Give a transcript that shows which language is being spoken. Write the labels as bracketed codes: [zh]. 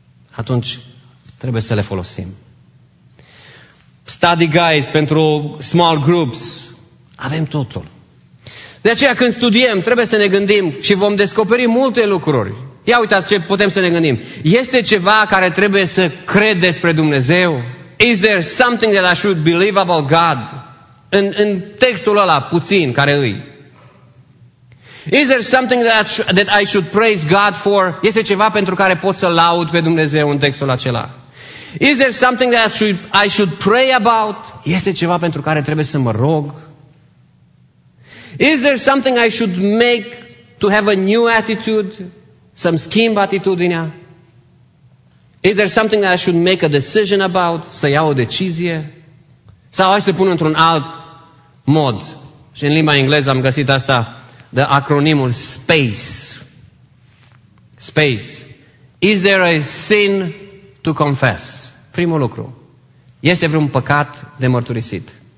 [ro] Atunci trebuie să le folosim. [en] Study guides [ro] pentru [en] small groups. [ro] Avem totul. De aceea când studiem, trebuie să ne gândim și vom descoperi multe lucruri. Ia uitați ce putem să ne gândim. Este ceva care trebuie să cred despre Dumnezeu? [en] Is there something that I should believe about God? [ro] În textul ăla puțin care îi. [en] Is there something that I should praise God for? [ro] Este ceva pentru care pot să laud pe Dumnezeu în textul acela? [en] Is there something that I should pray about? [ro] Este ceva pentru care trebuie să mă rog? [en] Is there something I should make to have a new attitude? [ro] Să-mi schimb atitudinea? [en] Is there something that I should make a decision about? [ro] Să iau o decizie? Sau aș să pun într-un alt mod. Și în limba engleză am găsit asta de acronimul SPACE. [en] SPACE. Is there a sin to confess? [ro] Primul lucru. Este vreun păcat de mărturisit?